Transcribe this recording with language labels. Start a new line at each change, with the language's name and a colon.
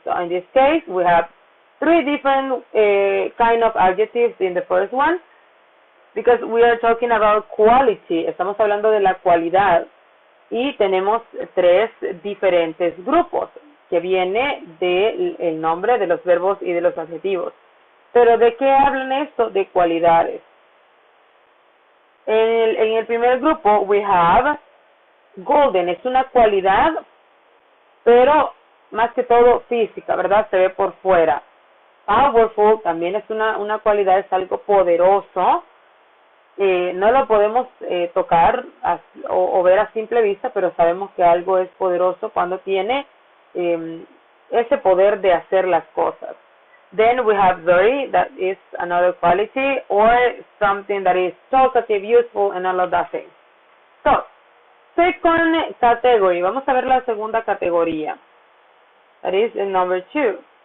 English: So in this case, we have three different kind of adjectives in the first one, because we are talking about quality.
Spanish: Estamos hablando de la cualidad. Y tenemos tres diferentes grupos, que viene del nombre de los verbos y de los adjetivos. ¿Pero de qué hablan esto? De cualidades. En el primer grupo,
English: we have golden.
Spanish: Es una cualidad, pero más que todo física, ¿verdad? Se ve por fuera. Powerful también es una cualidad, es algo poderoso. No lo podemos tocar o ver a simple vista, pero sabemos que algo es poderoso cuando tiene ese poder de hacer las cosas.
English: Then we have very, that is another quality, or something that is talkative, useful, and all of that thing. So, second category.
Spanish: Vamos a ver la segunda categoría.
English: That is number two.